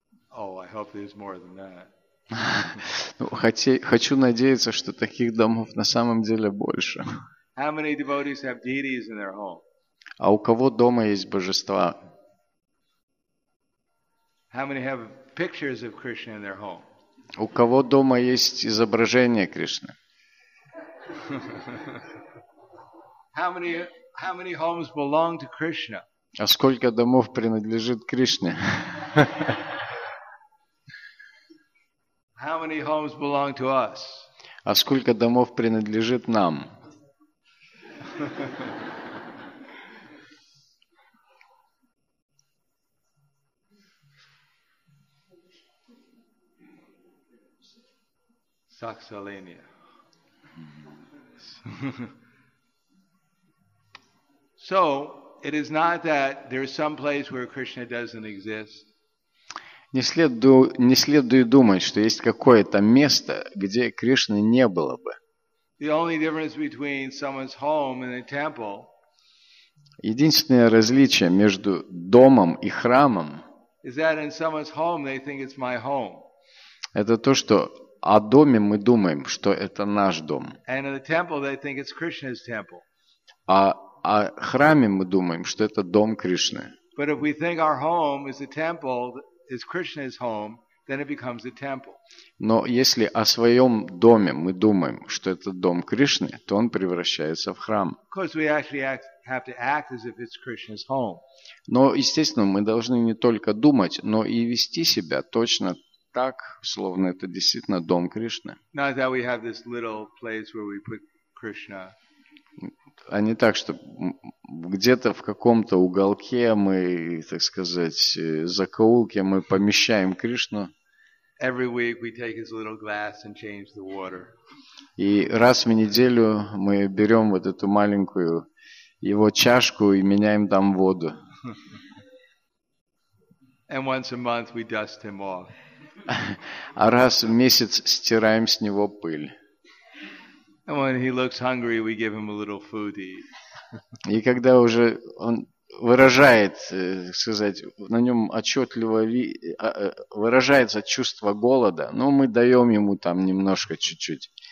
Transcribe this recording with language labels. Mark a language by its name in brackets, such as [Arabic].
[English] Oh, I hope there's more than that. [Russian] Хочу надеяться, что таких домов на самом деле больше. [English] How many devotees have deities in their home? [Russian] А у кого дома есть божества? [English] How many have pictures of Krishna in their home? [Russian] У кого дома есть изображение Кришны? [English] How many homes belong to Krishna? [Russian] А сколько домов принадлежит Кришне? [English] How many homes belong to us? [Russian] А сколько домов принадлежит нам? Saksalenia. [English] So, it is not that there is some place where Krishna doesn't exist. [Russian] Не следует думать, что есть какое-то место, где Кришны не было бы. [English] The only difference between someone's home and a temple, [Russian] Единственное различие между домом и храмом [English] is that in someone's home, they think it's my home. [Russian] Это то, что о доме мы думаем, что это наш дом. [English] And in the temple, they think it's Krishna's temple. [Russian] А о храме мы думаем, что это дом Кришны. [English] But if we think our home is the temple, is Krishna's home, then it becomes a temple. [Russian] Но если о своем доме мы думаем, что это дом Кришны, то он превращается в храм. [English] Because we actually have to act as if it's Krishna's home. [Russian] Но, естественно, мы должны не только думать, но и вести себя точно так, словно это действительно дом Кришны. [English] Not that we have this little place where we put Krishna. [Russian] А не так, что где-то в каком-то уголке мы, так сказать, закоулке мы помещаем Кришну. [English] Every week we take his little glass and change the water. [Russian] И раз в неделю мы берем вот эту маленькую его чашку и меняем там воду. [English] And once a month we dust him off. [Russian] А раз в месяц стираем с него пыль. [English] And when he looks hungry, we give him a little food to eat. [Russian] И когда уже он выражает, сказать, на нем отчетливо выражается чувство голода, но мы даем ему там немножко, чуть-чуть,